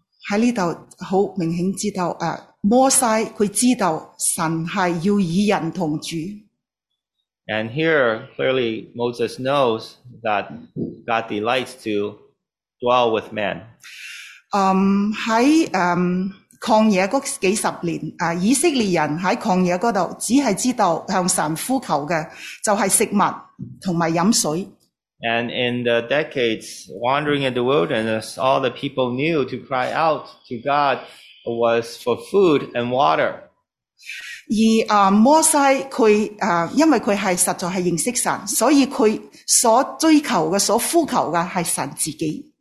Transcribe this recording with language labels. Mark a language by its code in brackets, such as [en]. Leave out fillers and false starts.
[yue] 喺呢度好明显知道，摩西佢知道神系要与人同住。 [en] And here clearly Moses knows that God delights to dwell with man. [yue] 在旷野嗰几十年，以色列人在旷野嗰度只系知道向神呼求嘅，就系食物同埋饮水。 [en] And in the decades wandering in the wilderness, all the people knew to cry out to God was for food and water. [yue] 而摩西佢因为佢系实在系认识神，所以佢所追求嘅、所呼求嘅系神自己。